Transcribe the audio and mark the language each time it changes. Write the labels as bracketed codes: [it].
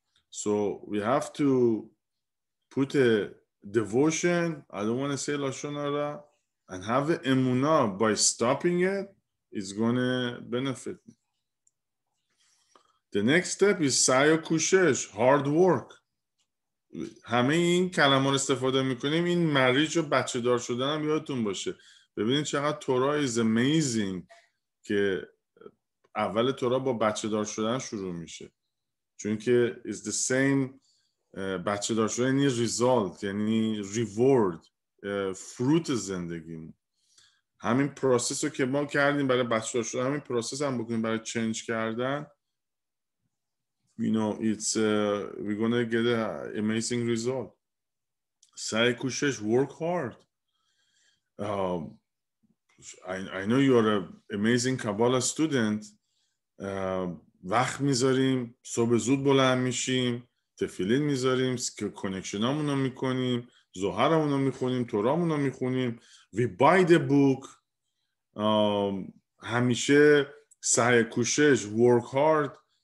[en] So we have to put a devotion, I don't want to say Lashonara, and have a emuna. By stopping it, it's going to benefit me. The next step is Sayo Kushesh, hard work. [fa] همه این کلمان استفاده میکنیم, این مریج و بچه دار شدن هم یادتون باشه. ببینید چقدر Torah [en] is amazing [fa] که اول Torah با بچه دار شدن شروع میشه. چون که [en] is the same [fa] بچه دار شده, یعنی result, یعنی reward, fruit زندگی. همین پروسس رو که ما کردیم برای بچه دار شده, همین پروسس هم بکنیم برای چنج کردن, [en] you know, it's we're gonna get an amazing result. [fa] سعی کوشش, [en] work hard. I know you are an amazing Kabbalah student. [fa] وقت میذاریم, صبح زود بلند میشیم, تفیلین میذاریم, کنکشن هامون رو میکنیم, ظهر همون رو میخونیم, تورا همون رو میخونیم, [en] we buy the book. [fa] همیشه سعی کوشش, [en] work hard.